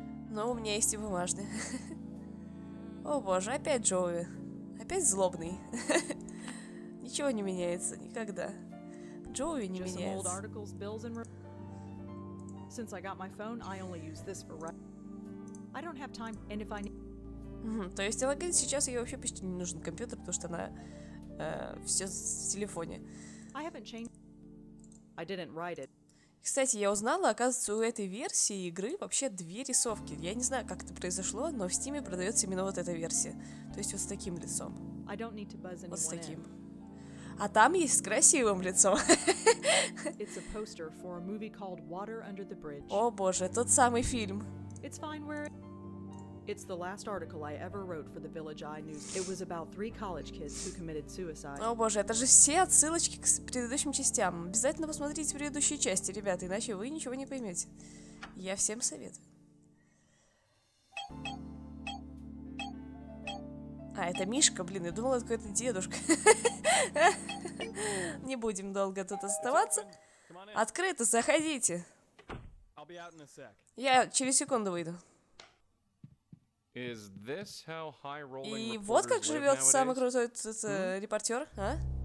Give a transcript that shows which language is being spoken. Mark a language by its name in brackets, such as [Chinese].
[Russian] Но у меня есть и бумажные. О, боже, опять Джоуи. Опять злобный. Ничего не меняется никогда. Джоуи не меняется. [English] Since I got my phone, I only use this for writing. I don't have time, and if I need... [Russian] То есть Элагин сейчас ей вообще почти не нужен компьютер, потому что она все в телефоне. [English] I haven't changed. I didn't write it. [Russian] Кстати, я узнала, оказывается, у этой версии игры вообще две рисовки. Я не знаю, как это произошло, но в Steam продается именно вот эта версия. То есть вот с таким лицом. [English] I don't need to buzz anyone. [Russian] Вот с таким. А там есть с красивым лицом. [English] It's a poster for a movie called Water Under the Bridge. [Russian] О боже, тот самый фильм. [English] It's fine where... It's the last article I ever wrote for the Village Eye News. It was about three college kids who committed suicide. [Russian] О боже, это же все отсылочки к предыдущим частям. Обязательно посмотрите предыдущие части, ребята, иначе вы ничего не поймете. Я всем советую. А, это Мишка, блин, я думала, это какой-то дедушка. Не будем долго тут оставаться. Открыто, заходите. Я через секунду выйду. [English] Is this how high-rolling [Russian] и вот как живет самый крутой этот репортер, а?